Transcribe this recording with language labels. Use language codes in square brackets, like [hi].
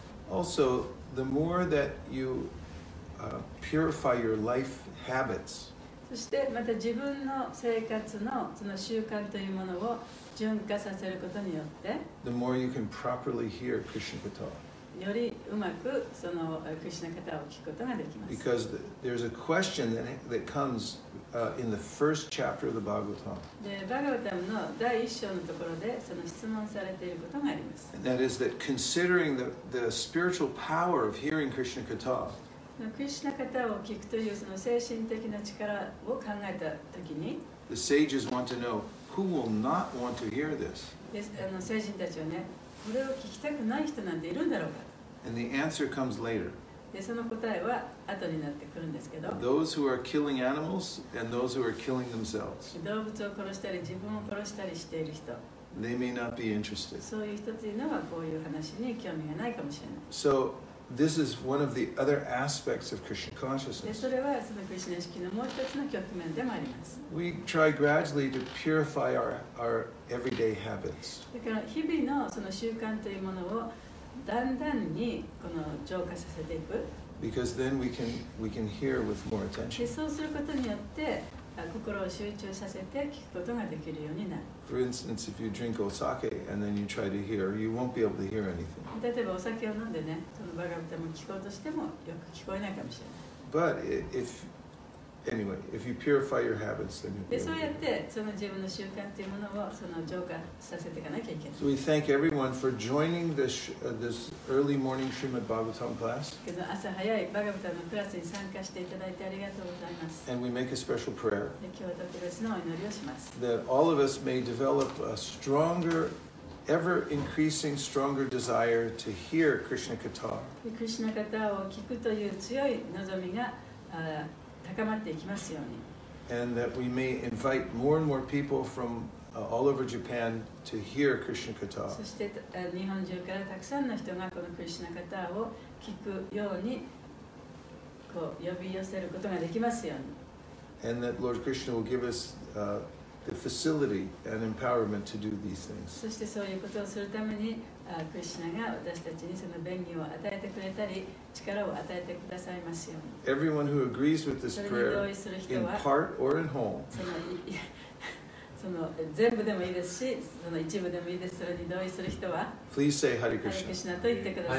[en] Also, the more that you purify your life habits, [ja] そしてまた自分の生活のその習慣というものを循化させることによって [en] The more you can properly hear Krishna Katha. [ja] よりうまくそのクリシナ方を聞くことができます。 [en] Because there's a question that comes in the first chapter of the Bhagavatam. [ja] で、バガヴァタムの第一章のところでその質問されていることがあります。 [en] And that is that considering the spiritual power of hearing Krishna Katha. [ja] クリシナ方を聞くというその精神的な力を考えたときに、 [en] The sages want to know who will not want to hear this. [ja] 聖人たちはね、これを聞きたくない人なんているんだろうか。 [en] And the answer comes later. [ja] でその答えは後になってくるんですけど、 [en] Those who are killing animals and those who are killing themselves. [ja] 動物を殺したり自分を殺したりしている人。 [en] They may not be interested. [ja] そういう人というのはこういう話に興味がないかもしれない。 [en] So. This is one of the other aspects of Krishna consciousness. [ja] それはそのクリシナ意識のもう一つの局面でもあります。 [en] We try gradually to purify our everyday habits. [ja] だから日々のその習慣というものをだんだんにこの浄化させていく。 [en] Because then we can hear with more attention. [ja] そうすることによって心を集中させて聞くことができるようになる。 [en] For instance, if you drink osake and then you try to hear, you won't be able to hear anything. [ja] 例えばお酒を飲んでね、そのバガヴァタムを聞こうとしてもよく聞こえないかもしれない。 [en] But if anyway, if you purify your habits, then you'll be able to hear. [ja] そうやってその自分の習慣というものをその浄化させていかなきゃいけない。 [en] So we thank everyone for joining this early morning Srimad Bhagavatam class. [ja] 朝早いバガヴァタムクラスに参加していただいてありがとうございます。 [en] And we make a special prayer. [ja] 今日は特別のお祈りをします。 [en] That all of us may develop a stronger, ever increasing stronger desire to hear Krishna Katha. [ja] クリシュナ方を聞くという強い望みが高まっていきますように。 [en] And that we may invite more and more people from all over Japan to hear Krishna Katha. [ja] そして日本中からたくさんの人がこのクリシュナカタを聞くようにこう呼び寄せることができますように。 [en] And that Lord Krishna will give us the facility and empowerment to do these things. [ja] そしてそういうことをするためにクリシュナが私たちにその便宜を与えてくれたり力を与えてくださいますように。 [en] Everyone who agrees with this prayer, in part or in whole. [ja] その全部でもいいですし、その一部でもいいです。それに同意する人は、 [en] Please say Hare Krishna. [ja] Hare Krishna と言ってください。